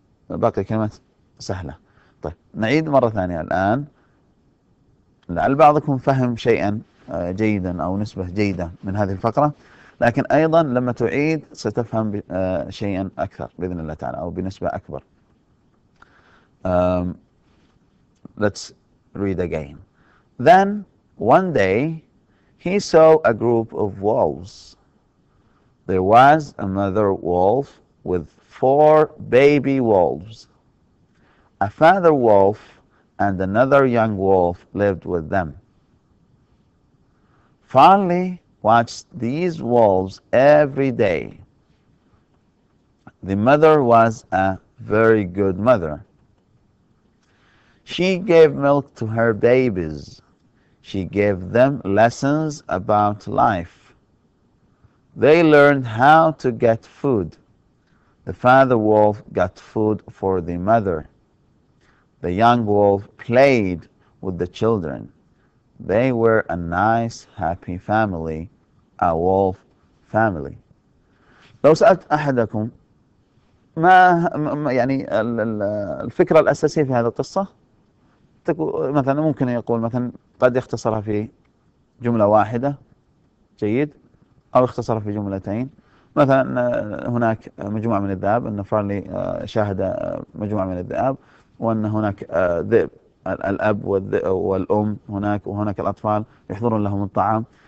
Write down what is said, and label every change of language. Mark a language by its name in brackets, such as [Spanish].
[Arabic] باقي الكلمات سهلة. طيب نعيد مرة ثانية الآن لعل بعضكم فهم شيئا جيدا أو نسبة جيدة من هذه الفقرة، لكن أيضا لما تعيد ستفهم شيئا أكثر بإذن الله تعالى أو بنسبة أكبر. [English] Let's read again. Then one day he saw a group of wolves. There was a mother wolf with four baby wolves. A father wolf and another young wolf lived with them. Farley watched these wolves every day. The mother was a very good mother. She gave milk to her babies. She gave them lessons about life. They learned how to get food. The father wolf got food for the mother. The young wolf played with the children. They were a nice, happy family, a wolf family. [Arabic] لو سألت أحدكم ما يعني الفكرة الأساسية في هذه القصة، مثلا ممكن يقول مثلا قد يختصرها في جملة واحدة، جيد، أو يختصرها في جملتين. مثلا هناك مجموعة من الذئاب، أن فارلي شاهد مجموعة من الذئاب، وأن هناك ذئب، الأب والأم هناك، وهناك الأطفال يحضرون لهم الطعام.